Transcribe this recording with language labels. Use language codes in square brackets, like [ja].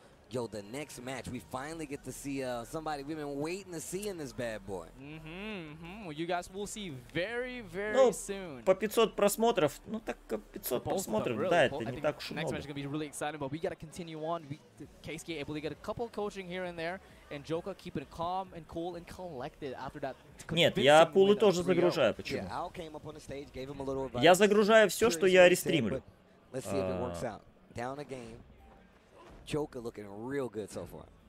[en] Yo, the next match, we finally get to see somebody we've been waiting to see in this bad boy. Well, you guys will see very, very soon. [ru] По 500 просмотров. Ну, так, 500 просмотров, да, это не так уж много. [en] Next match is going to be really exciting, but we got to continue on. KSK able to get a couple coaching here and there. And Joker keeping calm and cool and collected after that. [ru] Нет, я пулы тоже загружаю, почему? Я загружаю все, что я рестримлю. [en] Let's see if it works out. Down a game. Joker looking real good so far.